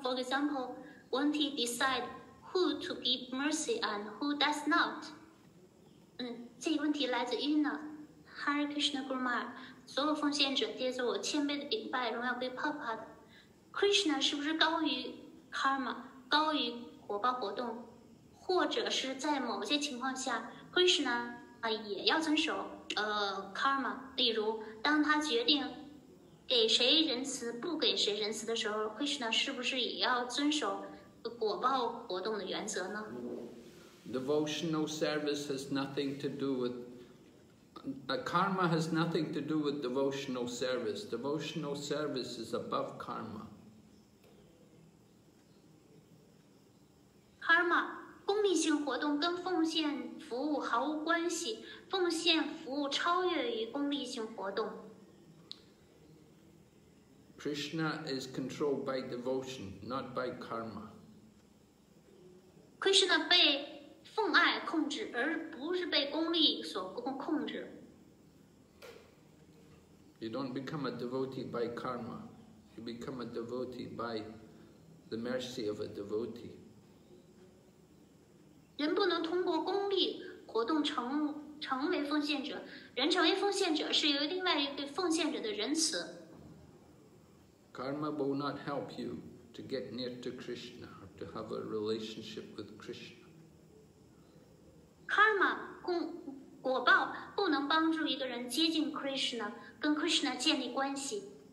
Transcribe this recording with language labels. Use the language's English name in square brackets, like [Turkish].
[English] For example, won't he decide who to give mercy and who does not? [Chinese] 这个问题来自 Yuna. Hare Krishna, Guru Maharaj. 所有奉献者接着我谦卑的顶拜，荣耀归帕帕的。 Krishna 是不是高于 karma， 高于果报活动，或者是在某些情况下 ，Krishna 也要遵守karma？例如，当他决定给谁仁慈，不给谁仁慈的时候 ，Krishna 是不是也要遵守果报活动的原则呢 [English] ？Devotional service has nothing to do with. Karma has nothing to do with devotional service. Devotional service is above karma. [Chinese] Karma, 公益性活动跟奉献服务毫无关系。奉献服务超越于公益性活动。 [English] Krishna is controlled by devotion, not by karma. [Chinese] Krishna 被奉爱控制，而不是被功利所控制。 [English] You don't become a devotee by karma. You become a devotee by the mercy of a devotee. [Chinese] 人不能通过功利活动成为奉献者。人成为奉献者是由另外一个奉献者的仁慈。 [English] Karma will not help you to get near to Krishna or to have a relationship with Krishna. [Chinese] Karma, 果报不能帮助一个人接近 Krishna, 跟 Krishna 建立关系。